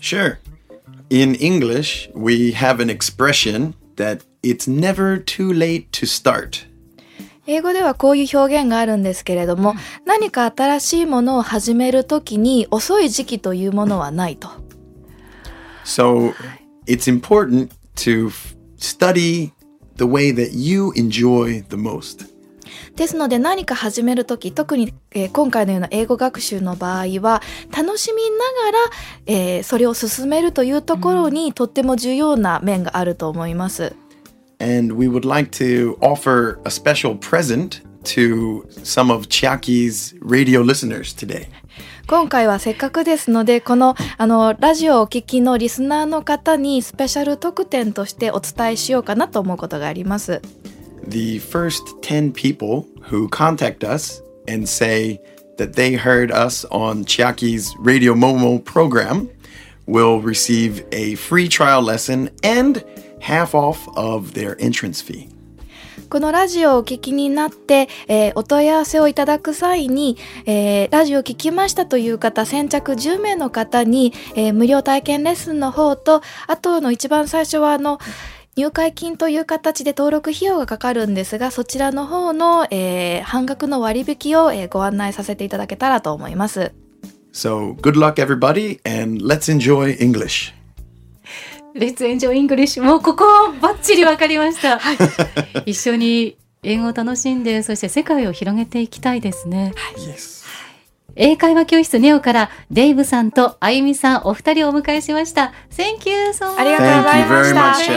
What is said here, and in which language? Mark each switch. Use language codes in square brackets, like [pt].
[en] Sure. In English we have an expression thatIt's never too late to start. [ja] 英語ではこういう表現があるんですけれども、何か新しいものを始めるときに遅い時期というものはないと。 [en] So, it's important to study the way that you enjoy the most. [ja] ですので何か始めるとき、特に今回のような英語学習の場合は、楽しみながら、それを進めるというところにとっても重要な面があると思います。 [en] And we would like to offer a special present to some of Chiaki's radio listeners today. [ja] 今回はせっかくですので、このラジオをお聞きのリスナーの方にスペシャル特典としてお伝えしようかなと思うことがあります。 [en] The first 10 people who contact us and say that they heard us on Chiaki's Radio Momo program will receive a free trial lesson andHalf off of their entrance fee. [ja] このラジオをお聞きになって、お問い合わせをいただく際に、ラジオを聞きましたという方先着10名の方に、無料体験レッスンの方と、あとの一番最初は入会金という形で登録費用がかかるんですが、そちらの方の、半額の割引を、ご案内させていただけたらと思います。 [en] So good luck everybody and let's enjoy English Let's enjoy English. [ja] もうここはバッチリ分かりました。はい、一緒に英語を楽しんで、そして世界を広げていきたいですね。はい。 [en] Yes. [ja] 英会話教室ネオからデイブさんとあゆみさんお二人をお迎えしました。 [en] Thank you so much. [ja] ありがとうございました。